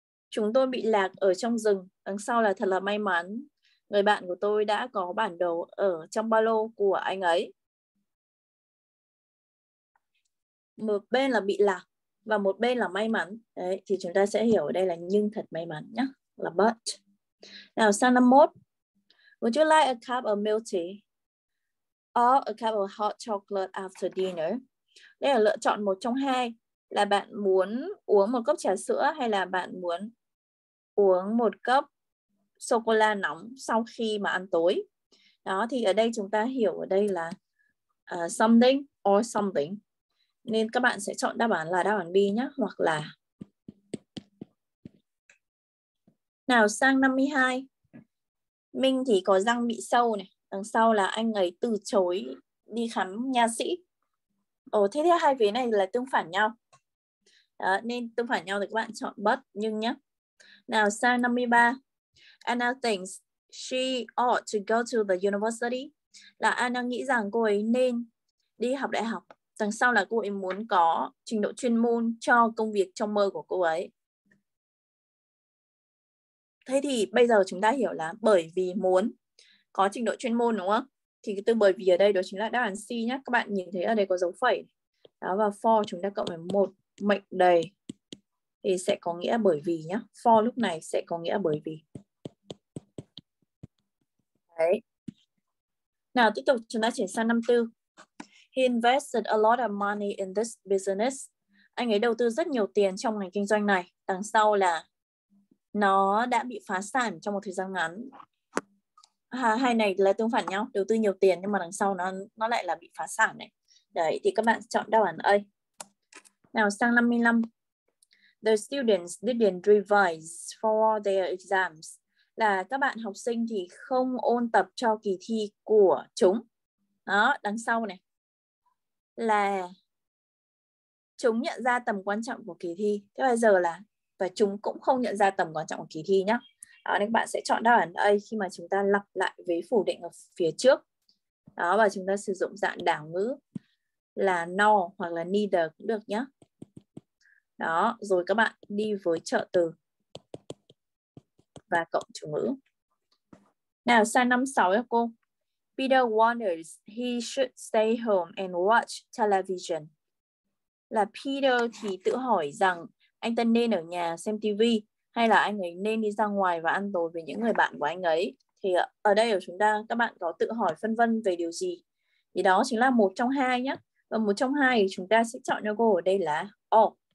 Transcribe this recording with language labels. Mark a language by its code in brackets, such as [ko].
[vi] Chúng tôi bị lạc ở trong rừng. Đằng sau là thật là may mắn. Người bạn của tôi đã có bản đồ ở trong ba lô của anh ấy. Một bên là bị lạc và một bên là may mắn. Đấy, thì chúng ta sẽ hiểu đây là nhưng thật may mắn nhé. Là but. Nào, sang 51. [en] Would you like a cup of milk tea? Or a cup of hot chocolate after dinner? [vi] Đây là lựa chọn một trong hai. Là bạn muốn uống một cốc trà sữa hay là bạn muốn uống một cốc sô-cô-la nóng sau khi mà ăn tối. Đó, thì ở đây chúng ta hiểu ở đây là [en] something or something. [vi] Nên các bạn sẽ chọn đáp án là đáp án B nhé. Hoặc là... Nào, sang 52. Mình thì có răng bị sâu này. Đằng sau là anh ấy từ chối đi khám nha sĩ. Ồ, thế thì hai vế này là tương phản nhau. Đó, nên tương phản nhau thì các bạn chọn but nhưng nhé. Nào, sang 53. [en] Anna thinks she ought to go to the university. [vi] Là Anna nghĩ rằng cô ấy nên đi học đại học. Đằng sau là cô ấy muốn có trình độ chuyên môn cho công việc trong mơ của cô ấy. Thế thì bây giờ chúng ta hiểu là bởi vì muốn có trình độ chuyên môn đúng không? Thì từ bởi vì ở đây đó chính là đáp án C nhé. Các bạn nhìn thấy ở đây có dấu phẩy. Đó, và for chúng ta cộng với một mệnh đề thì sẽ có nghĩa bởi vì nhé. For lúc này sẽ có nghĩa bởi vì. Đấy. Nào, tiếp tục chúng ta chuyển sang 54. [en] He invested a lot of money in this business. [vi] Anh ấy đầu tư rất nhiều tiền trong ngành kinh doanh này. Đằng sau là nó đã bị phá sản trong một thời gian ngắn. Hai này là tương phản nhau. Đầu tư nhiều tiền nhưng mà đằng sau nó lại là bị phá sản này. Đấy, thì các bạn chọn đáp án A. Nào, sang 55. [en] The students didn't revise for their exams. [vi] là các bạn học sinh thì không ôn tập cho kỳ thi của chúng. Đó, đằng sau này là chúng nhận ra tầm quan trọng của kỳ thi. Thế bây giờ là và chúng cũng không nhận ra tầm quan trọng của kỳ thi nhá. Đó, nên các bạn sẽ chọn đáp án A khi mà chúng ta lặp lại vế phủ định ở phía trước. Đó, và chúng ta sử dụng dạng đảo ngữ là no hoặc là neither cũng được nhá. Đó, rồi các bạn đi với trợ từ và cộng chủ ngữ. Nào, sang 56 nhá cô. [en] Peter wonders he should stay home and watch television. [vi] Là Peter thì tự hỏi rằng anh ta nên ở nhà xem TV hay là anh ấy nên đi ra ngoài và ăn tối với những người bạn của anh ấy. Thì ở đây của chúng ta, các bạn có tự hỏi phân vân về điều gì? Thì đó chính là một trong hai nhé. Và một trong hai thì chúng ta sẽ chọn cho cô ở đây là O.